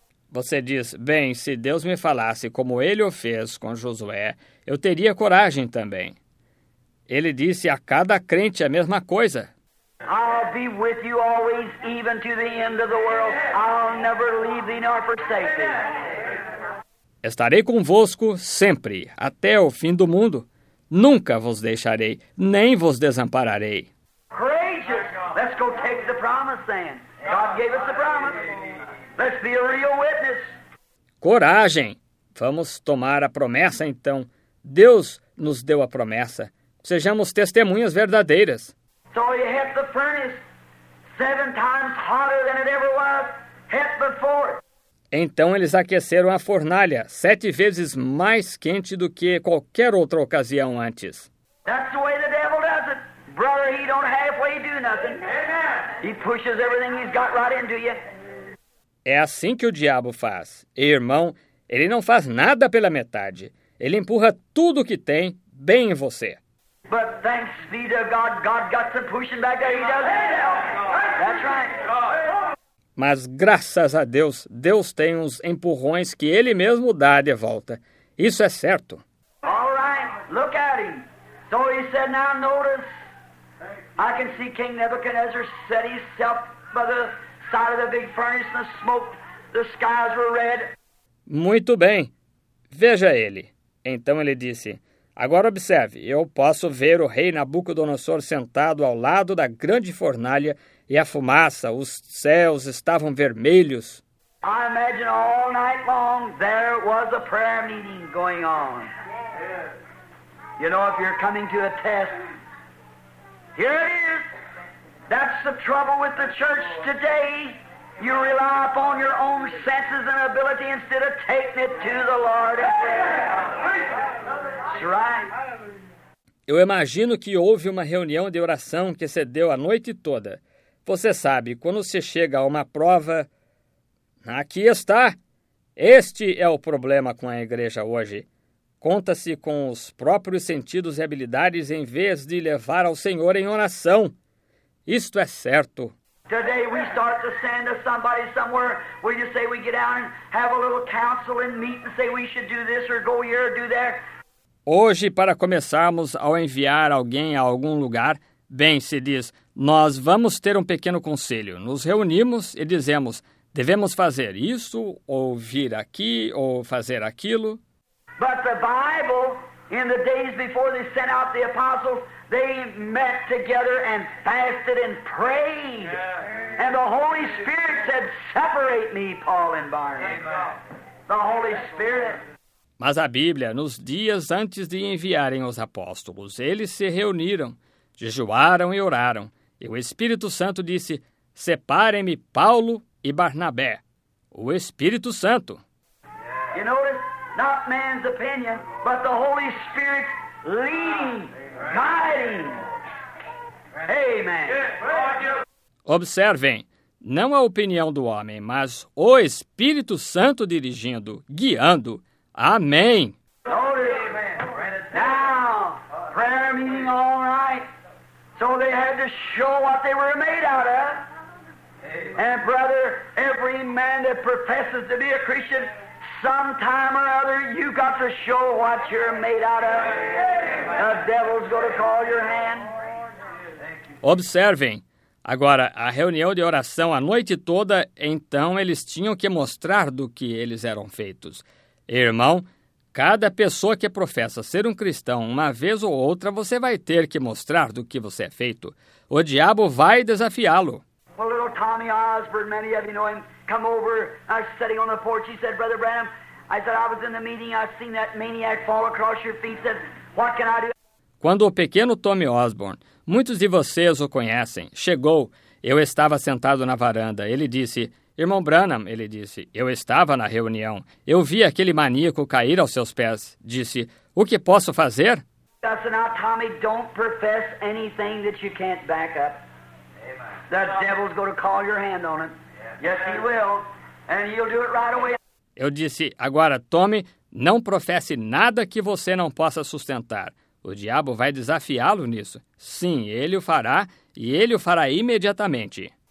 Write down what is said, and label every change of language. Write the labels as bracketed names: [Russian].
[Portuguese] Você diz, bem, se Deus me falasse como ele o fez com Josué, eu teria coragem também. Ele disse a cada crente a mesma coisa. [English] I'll be with you always, even to the end of the world. I'll never leave thee nor forsake thee. [Portuguese] Estarei convosco sempre, até o fim do mundo. Nunca vos deixarei, nem vos desampararei. [English] Courageous. Let's go take the promise then. God gave us the promise. Let's be a real witness. [Portuguese] Coragem. Vamos tomar a promessa então. Deus nos deu a promessa. Sejamos testemunhas verdadeiras. [English] So he hit the furnace seven times hotter than it ever was hit before. [Portuguese] Então eles aqueceram a fornalha sete vezes mais quente do que qualquer outra ocasião antes. [English] That's the way the devil does it. Brother, he don't halfway do nothing. He pushes everything he's got right into you. [Portuguese] É assim que o diabo faz. E, irmão, ele não faz nada pela metade. Ele empurra tudo o que tem bem em você. [English] But thanks be to God, God got some pushing back there. He does it. That's right. [Portuguese] Mas graças a Deus, Deus tem uns empurrões que ele mesmo dá de volta. Isso é certo. [English] All right, look at him. So he said, now notice, I can see King Nebuchadnezzar set himself by the side of the big furnace and the smoke, the skies were red. [Portuguese] Muito bem, veja ele. Então ele disse, agora observe, eu posso ver o rei Nabucodonosor sentado ao lado da grande fornalha e a fumaça, os céus estavam vermelhos. [English] I imagine all night long there was a prayer meeting going on. You know, if you're coming to a test, here it is. That's the trouble with the church today. You rely upon your own senses and ability instead of taking it to the Lord. That's right. [Portuguese] Eu imagino que houve uma reunião de oração que se deu a noite toda. Você sabe, quando se chega a uma prova, aqui está. Este é o problema com a igreja hoje. Conta-se com os próprios sentidos e habilidades em vez de levar ao Senhor em oração. Isto é certo. [English] Today we start to send to somebody somewhere. We just say we get out and have a little council and meet and say we should do this or go here or do there. [Portuguese] Hoje, para começarmos ao enviar alguém a algum lugar, bem, se diz, nós vamos ter um pequeno conselho. Nos reunimos e dizemos, devemos fazer isso, ou vir aqui, ou fazer aquilo. [English] But the Bible, in the days before they sent out the apostles, they met together and fasted and prayed. And the Holy Spirit said, separate me, Paul and Barnabas. The Holy Spirit. [Portuguese] Mas a Bíblia, nos dias antes de enviarem os apóstolos, eles se reuniram. Jejuaram e oraram, e o Espírito Santo disse, separem-me Paulo e Barnabé, o Espírito Santo. [English] You notice, not man's opinion, but the Holy Spirit leading, guiding. Amen. [Portuguese] Observem, não a opinião do homem, mas o Espírito Santo dirigindo, guiando. Amém. [English] Notice, now, prayer meeting all right. So they had to show what they were made out of. And brother, every man that professes to be a Christian, sometime or other, you got to show what you're made out of. The devil's going to call your hand. [Portuguese] Observem. Agora, a reunião de oração a noite toda, então eles tinham que mostrar do que eles eram feitos. Irmão, cada pessoa que professa ser um cristão, uma vez ou outra, você vai ter que mostrar do que você é feito. O diabo vai desafiá-lo. [English] Well, little Tommy Osborne, many of you know him, come over, I was sitting on the porch, he said, Brother Branham, I said, I was in the meeting, I seen that maniac fall across your feet, said, what can I do? [Portuguese] Quando o pequeno Tommy Osborne, muitos de vocês o conhecem, chegou, eu estava sentado na varanda, ele disse, Irmão Branham, ele disse, eu estava na reunião. Eu vi aquele maníaco cair aos seus pés. Disse, o que posso fazer? [English] Listen now, Tommy, don't profess anything that you can't back up. The devil's going to call your hand on it. Yes, he will. And he'll do it right away. [Portuguese] Eu disse, agora, Tommy, não professe nada que você não possa sustentar. O diabo vai desafiá-lo nisso. Sim, ele o fará, e ele o fará imediatamente.